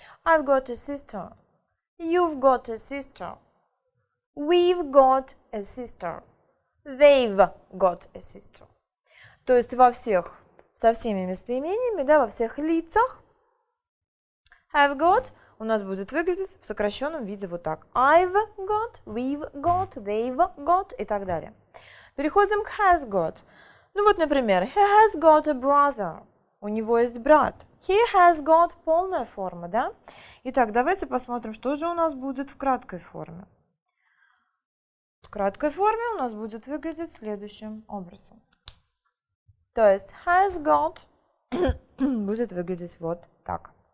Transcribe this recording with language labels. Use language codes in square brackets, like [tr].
[en] I've got a sister. You've got a sister. We've got a sister. They've got a sister. [ru] То есть во всех, со всеми местоимениями, да, во всех лицах have got у нас будет выглядеть в сокращенном виде вот так. [en] I've got, we've got, they've got [ru] и так далее. Переходим к has got. Ну вот, например, [en] he has got a brother. [ru] У него есть брат. He has got полная форма, да? Итак, давайте посмотрим, что же у нас будет в краткой форме. В краткой форме у нас будет выглядеть следующим образом. То есть has got будет выглядеть вот так.